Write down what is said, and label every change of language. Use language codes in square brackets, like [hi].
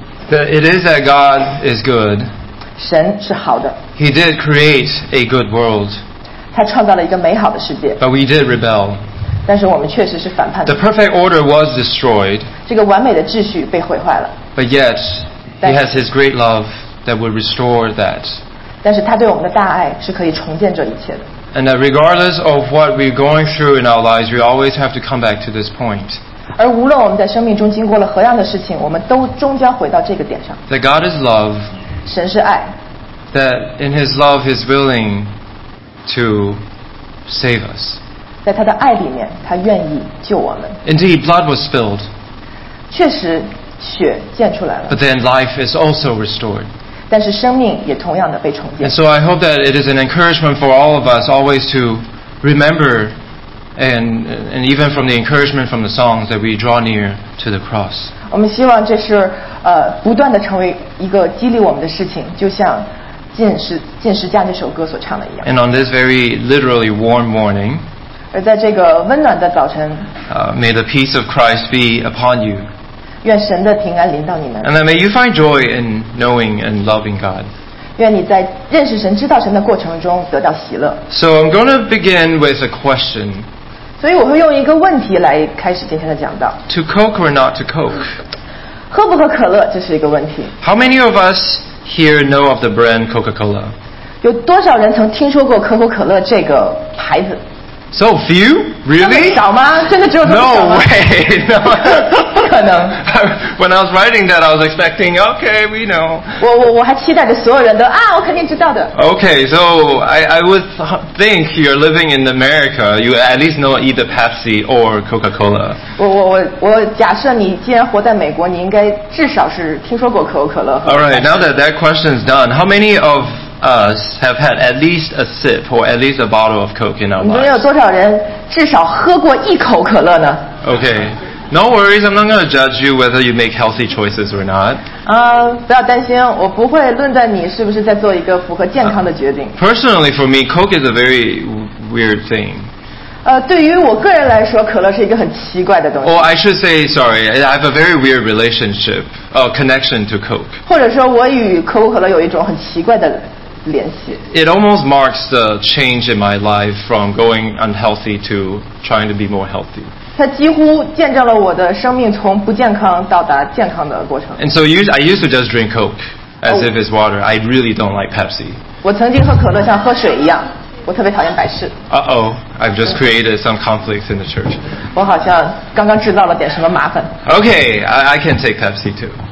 [en] That it is that God is good. [zh] 神是好的。 [en] He did create a good world. [zh] 他创造了一个美好的世界。 [en] But we did rebel. [zh] 但是我们确实是反叛的。 [en] The perfect order was destroyed. [zh] 这个完美的秩序被毁坏了。 [en] But yet, he has his great love that will restore that. [zh] 但是他对我们的大爱是可以重建这一切的。 [en] And that regardless of what we're going through in our lives, we always have to come back to this point. [zh] 而无论我们在生命中经过了何样的事情，我们都终将回到这个点上。 [en] That God is love. [zh] 神是爱。 [en] That in his love, he's willing to save us. [zh] 在他的爱里面，他愿意救我们。 [en] Indeed, blood was spilled. [zh] 确实，血溅出来了。 [en] But then life is also restored. [zh] 但是生命也同样的被重建。 [en] And so I hope that it is an encouragement for all of us always to remember, and even from the encouragement from the songs that we draw near to the cross. [zh] 我们希望这是不断的成为一个激励我们的事情，就像进十架那首歌所唱的一样。 [en] And on this very literally warm morning. [zh] 而在这个温暖的早晨 [en] May the peace of Christ be upon you. [zh] 愿神的平安临到你们。 [en] And may you find joy in knowing and loving God. [zh] 愿你在认识神、知道神的过程中得到喜乐。 [en] So I'm going to begin with a question. [zh] 所以我会用一个问题来开始今天的讲道。 [en] To Coke or not to Coke? [zh] 喝不喝可乐，这是一个问题。 [en] How many of us here know of the brand Coca-Cola? [zh] 有多少人曾听说过可口可乐这个牌子？ [en] So few? Really? [zh] 这么少吗？真的只有这么少吗？ [en] No way! No. [zh] 不可能。 [en] When I was writing that, I was expecting, okay, we know. [zh] 我还期待着所有人都，我肯定知道的。 [en] Okay, so I would think you're living in America, you at least know either Pepsi or Coca-Cola. [zh] 我假设你既然活在美国，你应该至少是听说过可口可乐。 [en] All right, now that question is done, how many of... us have had at least a sip or at least a bottle of Coke in our lives. [zh] 你们有多少人至少喝过一口可乐呢？ [en] Okay, no worries. I'm not going to judge you whether you make healthy choices or not. [zh] 不要担心，我不会论断你是不是在做一个符合健康的决定。 [en] Personally, for me, Coke is a very weird thing. [zh] 对于我个人来说，可乐是一个很奇怪的东西。 [en] Or I should say, sorry, I have a very weird relationship, connection to Coke. [zh] 或者说，我与可口可乐有一种很奇怪的。 [en] It almost marks the change in my life from going unhealthy to trying to be more healthy. [zh] 它几乎见证了我的生命从不健康到达健康的过程。 [en] And so I used to just drink Coke as if it's water. I really don't like Pepsi. [zh] 我曾经喝可乐像喝水一样，我我特别讨厌摆事。 [en] Uh-oh, I've just created some conflicts in the church. [zh] 我好像刚刚制造了点什么麻烦。 [en] Okay, I can take Pepsi too.